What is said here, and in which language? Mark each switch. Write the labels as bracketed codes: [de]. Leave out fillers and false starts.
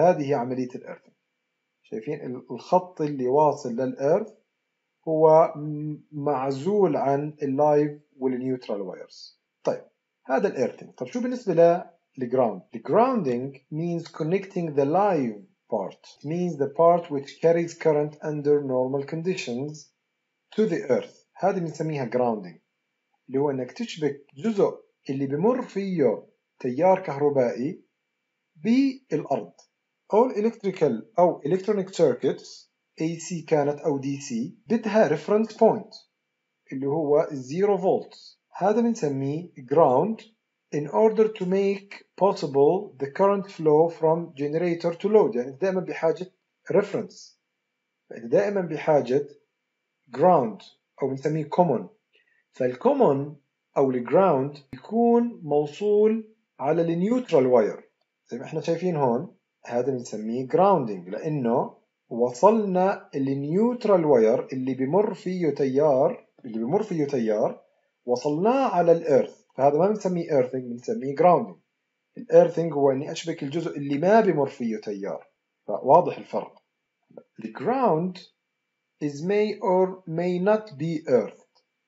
[ar] هذه هي عملية الأرث. شايفين الخط اللي واصل للأرث هو معزول عن اللايف والنيوترال وايرز. طيب هذا الأرث. طب شو بالنسبة للجراوند؟ الجراوندينج [en] means connecting the live part. It means the part which carries current under normal conditions to the earth. [ar] هذه بنسميها grounding، اللي هو انك تشبك جزء اللي بمر فيه تيار كهربائي بالارض. [en] All electrical او electronic circuits AC [ar] كانت او [en] DC [ar] بدها [en] reference point [ar] اللي هو [en] 0 volts. [ar] هذا بنسميه [en] ground in order to make possible the current flow from generator to load. [ar] يعني دائما بحاجة reference، يعني دائما بحاجة ground أو بنسميه common. فالcommon أو الground يكون موصول على neutral wire زي ما احنا شايفين هون، هذا بنسميه grounding لأنه وصلنا neutral wire اللي بمر فيه تيار وصلناه على الأرث. فهذا ما بنسميه earthing، بنسميه grounding. الearthing هو اني اشبك الجزء اللي ما بمر فيه تيار. فواضح الفرق. [en] The ground is may or may not be earthed.